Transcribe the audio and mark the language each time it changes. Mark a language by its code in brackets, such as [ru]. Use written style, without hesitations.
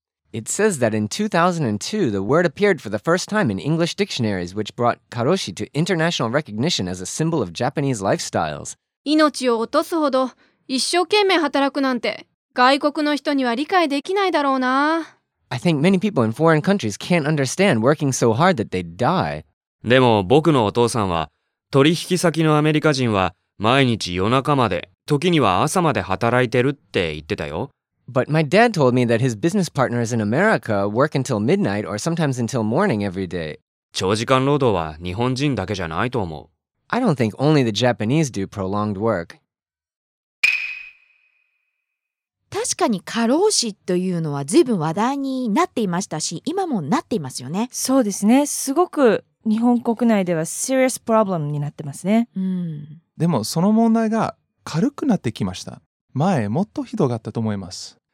[en] It says that in 2002, the word appeared for the first time in English dictionaries, which brought karoshi to international recognition as a symbol of Japanese lifestyles. [ja] 命を落とすほど一生懸命働くなんて外国の人には理解できないだろうな。 [en] I think many people in foreign countries can't understand working so hard that they die. [ja] でも僕のお父さんは、取引先のアメリカ人は毎日夜中まで、時には朝まで働いてるって言ってたよ。 [en] But my dad told me that his business partners in America work until midnight or sometimes until morning every day. [ja] 長時間労働は日本人だけじゃないと思う。 [en] I don't think only the Japanese do prolonged work. [ja] 確かに過労死というのは随分話題になっていましたし、今もなっていますよね。そうですね。すごく日本国内では [en] serious problem [ja] になってますね。でもその問題が軽くなってきました。前もっとひどかったと思います。